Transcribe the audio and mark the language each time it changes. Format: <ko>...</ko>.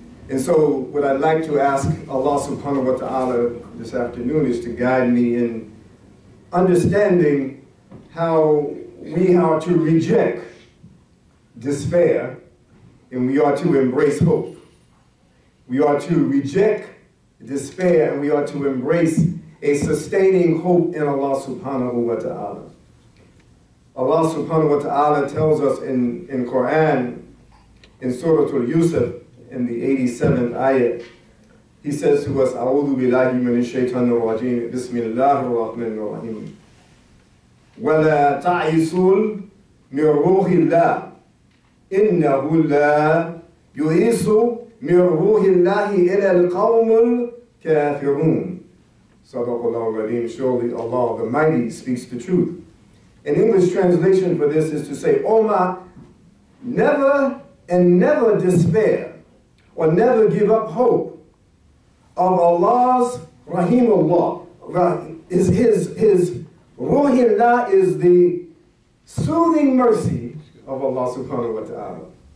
<en>And so what I'd like to ask Allah subhanahu wa ta'ala this afternoon is to guide me in understanding how we are to reject despair and we are to embrace hope. We are to reject despair and we are to embrace a sustaining hope in Allah subhanahu wa ta'ala. Allah subhanahu wa ta'ala tells us in Quran, in Surah Al-Yusuf, in the 87th ayah, he says to us,</en> <ar>أَعُوذُ بِاللَّهِ مِنَ الشَّيْطَانِ الرَّجِيمِ بِسْمِ اللَّهِ الرَّحْمَنِ الرَّحِيمِ وَلَا تَعِسُوا مِنْ رُوحِ اللَّهِ إِنَّهُ لَا يُعِسُوا مِنْ رُوحِ اللَّهِ إِلَى الْقَوْمُ الْكَافِرُونَ صَدَقُ اللَّهُ الْعَلِيمُ.</ar> <en>Surely Allah the Mighty speaks the truth. An English translation for this is to say, Omar, never and never despair or never give up hope of Allah's Rahimullah. His Ruhillah is the soothing mercy of Allah subhanahu wa ta'ala.</en>